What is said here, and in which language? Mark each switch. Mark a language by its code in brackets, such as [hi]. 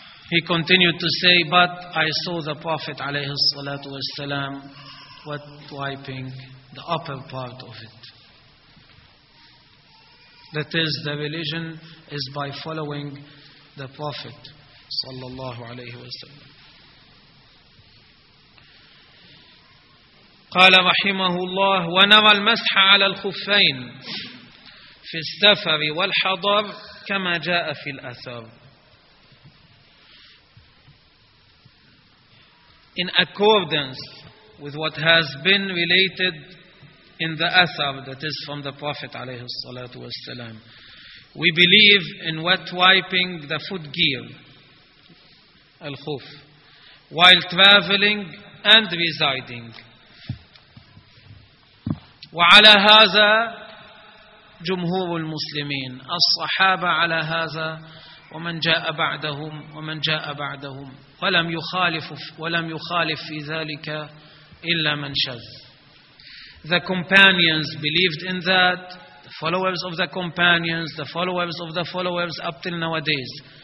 [en] He continued to say, but I saw the Prophet [ar] عليه الصلاة والسلام [en] wet wiping the upper part of it. That is, the religion is by following the Prophet [ar] صلى الله عليه وسلم. قال رحمه الله ونرى المسح على الخفين في السفر والحضر كما جاء في الأثر. [en] In accordance with what has been related in the Athar, that is from the Prophet [ar] عليه الصلاة والسلام, [en] we believe in wet wiping the foot gear, الخوف, while traveling and residing. [ar] وعلى هذا جمهور المسلمين الصحابة على هذا ومن جاء بعدهم ومن جاء بعدهم ولم يخالف في ذلك إلا من شذ. [en] The companions believed in that, the followers of the companions, the followers of the followers up till nowadays.